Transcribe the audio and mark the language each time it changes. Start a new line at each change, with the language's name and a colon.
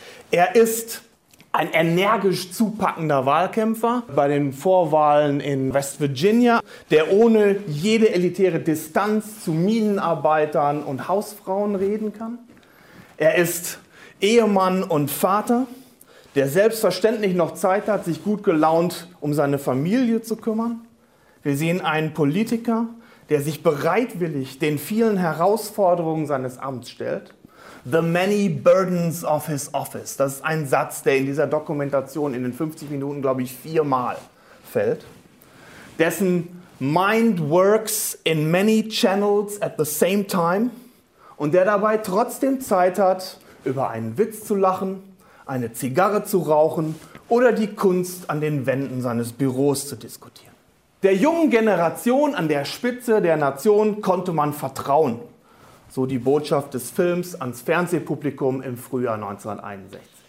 German: Er ist ein energisch zupackender Wahlkämpfer bei den Vorwahlen in West Virginia, der ohne jede elitäre Distanz zu Minenarbeitern und Hausfrauen reden kann. Er ist Ehemann und Vater, der selbstverständlich noch Zeit hat, sich gut gelaunt um seine Familie zu kümmern. Wir sehen einen Politiker, der sich bereitwillig den vielen Herausforderungen seines Amts stellt.
English: The many burdens of his office.
German: Das ist ein Satz, der in dieser Dokumentation in den 50 Minuten, glaube ich, viermal fällt. Dessen
English: mind works in many channels at the same time.
German: Und der dabei trotzdem Zeit hat, über einen Witz zu lachen, eine Zigarre zu rauchen oder die Kunst an den Wänden seines Büros zu diskutieren. Der jungen Generation an der Spitze der Nation konnte man vertrauen. So die Botschaft des Films ans Fernsehpublikum im Frühjahr 1961.